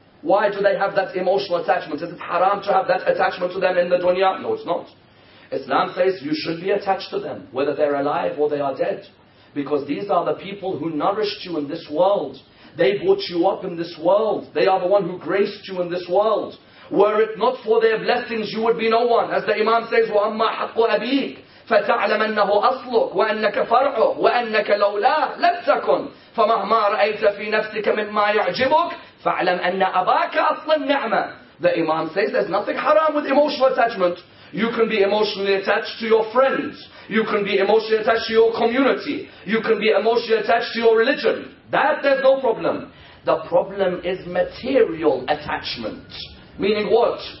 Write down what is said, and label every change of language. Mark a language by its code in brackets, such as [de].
[en] Why do they have that emotional attachment? Is it haram to have that attachment to them in the dunya? No, it's not. Islam says you should be attached to them, whether they're alive or they are dead. Because these are the people who nourished you in this world. They brought you up in this world. They are the one who graced you in this world. Were it not for their blessings, you would be no one. As the Imam says, [ar] وَأَمَّا حَقُّ أَبِيكَ فَتَعْلَمْ أَنَّهُ أَصْلُكَ وَأَنَّكَ فَرْعُهُ وَأَنَّكَ لَوْلَاهُ لَمْ تَكُنْ فَمَهْمَا رَأَيْتَ فِي نَفْسِكَ مِمَّا يَعْجِبُكَ فَاعْلَمْ أَنَّ أَبَاكَ أَصْلًا نِعْمًا. [en] The Imam says there's nothing haram with emotional attachment. You can be emotionally attached to your friends. You can be emotionally attached to your community. You can be emotionally attached to your religion. That there's no problem. The problem is material attachment. Meaning what?